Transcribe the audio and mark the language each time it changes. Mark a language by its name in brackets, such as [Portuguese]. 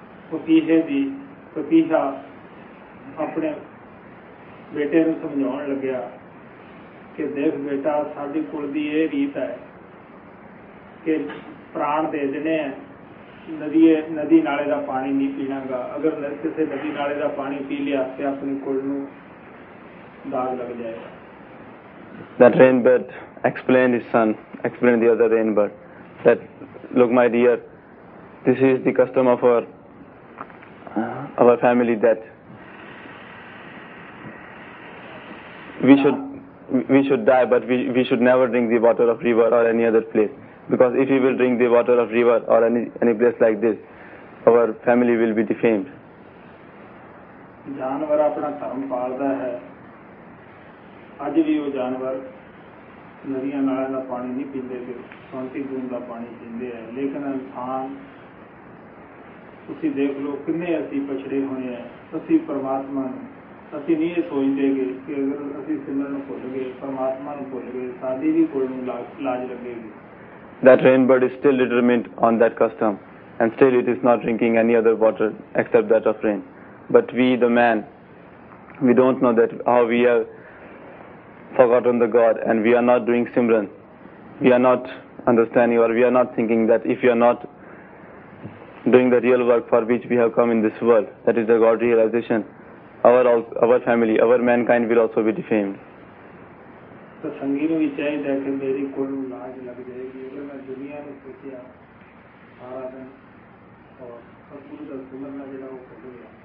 [Punjabi] Papiha apne bete nu samjhaun lagya ke dekh beta saadi kul di eh reet hai ke pran de dene hai, ਨਦੀ ਨਦੀ ਨਾਲੇ ਦਾ ਪਾਣੀ ਨਹੀਂ ਪੀਣਾਗਾ, ਅਗਰ ਕਿਸੇ ਨਦੀ ਨਾਲੇ ਦਾ ਪਾਣੀ ਪੀ ਲਿਆ ਤੇ ਆਪਣੀ ਕੁੜ ਨੂੰ ਦਾਗ ਲੱਗ ਜਾਏਗਾ। [English] That rainbird explained his son, explained the other rainbird, that look my dear, This is the custom of our family that we should die, but we should never drink the water of river or any other place. Because if we will drink the water of river or any place like this, our family will be defamed. [Punjabi] ਜਾਨਵਰ ਆਪਣਾ ਧਰਮ ਪਾਲਦਾ ਹੈ ਅੱਜ ਵੀ ਉਹ ਜਾਨਵਰ ਨਦੀਆਂ ਨਾਲਿਆਂ ਦਾ ਪਾਣੀ ਨਹੀਂ ਪੀਂਦੇ ਫਿਰ ਸੌਂਤੀ ਬੂੰਦ ਦਾ ਪਾਣੀ ਪੀਂਦੇ ਹੈ ਲੇਕਿਨ ਇਨਸਾਨ ਤੁਸੀਂ ਦੇਖ ਲਓ ਕਿੰਨੇ ਅਸੀਂ ਪਛੜੇ ਹੋਏ ਹੈ ਅਸੀਂ ਪਰਮਾਤਮਾ ਨੂੰ ਅਸੀਂ ਨਹੀਂ ਇਹ ਸੋਚਦੇ ਗੇ ਕਿ ਅਗਰ ਅਸੀਂ ਸਿਮਰਨ ਨੂੰ ਭੁੱਲ ਗਏ ਪਰਮਾਤਮਾ ਨੂੰ ਭੁੱਲ ਗਏ ਸਾਡੀ ਵੀ ਕੋਲ ਨੂੰ ਲਾਜ ਲੱਗੇਗੀ [English] That rainbird is still determined on that custom and still it is not drinking any other water except that of rain But we, the man, we don't know that how we have forgotten the God and we are not doing Simran. We are not understanding or we are not thinking that if we are not doing the real work for which we have come in this world, that is the God realization, our family, our mankind will also be defamed.